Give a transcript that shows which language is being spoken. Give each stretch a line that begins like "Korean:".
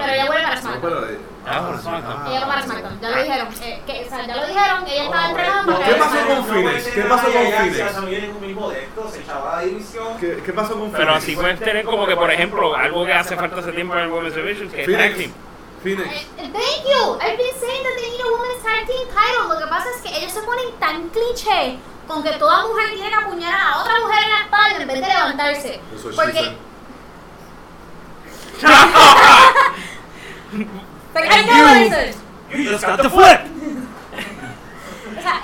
Spanish: Pero ella vuelve a SmackDown. Ella va a SmackDown. Ya lo dijeron. ¿Qué pasó con Phoenix? ¿Qué pasó con Phoenix? ¿Qué pasó con Pero así puedes tener como que, por ejemplo, algo que hace falta hace tiempo en el Women's Division, que Phoenix. Es Tag Team. Phoenix.
English: Thank you. I've been saying that they need a Women's Tag Team title.
Spanish: Lo que pasa es que ellos se ponen tan cliché con que toda mujer tiene que apuñalar a otra mujer en la espalda en vez de levantarse. Eso es porque
English: like, I know you, you just got the flip.
Spanish: O sea,